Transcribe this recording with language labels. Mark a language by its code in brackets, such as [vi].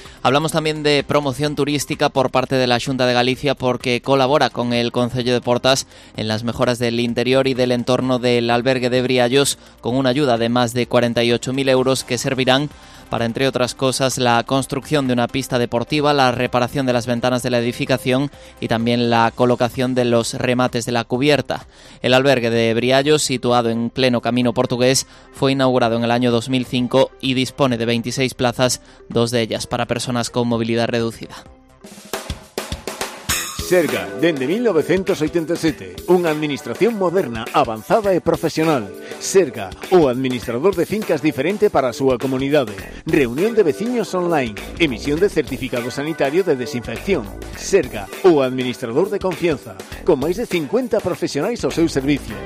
[es] Hablamos también de promoción turística por parte de la Xunta de Galicia, porque colabora con el Concello de Portas en las mejoras del interior y del entorno del albergue de Briallos, con una ayuda de más de 48.000 euros que servirán para, entre otras cosas, la construcción de una pista deportiva, la reparación de las ventanas de la edificación y también la colocación de los remates de la cubierta. El albergue de Briallos, situado en pleno camino portugués, fue inaugurado en el año 2005 y dispone de 26 plazas, dos de ellas para personas con movilidad reducida. [gl] Serga, dende 1987, unha administración moderna, avanzada e profesional. Serga, o administrador de fincas diferente para a súa comunidade. Reunión de veciños online, emisión de certificado sanitario de desinfección. Serga, o administrador de confianza, con máis de 50 profesionais ao seu servicio.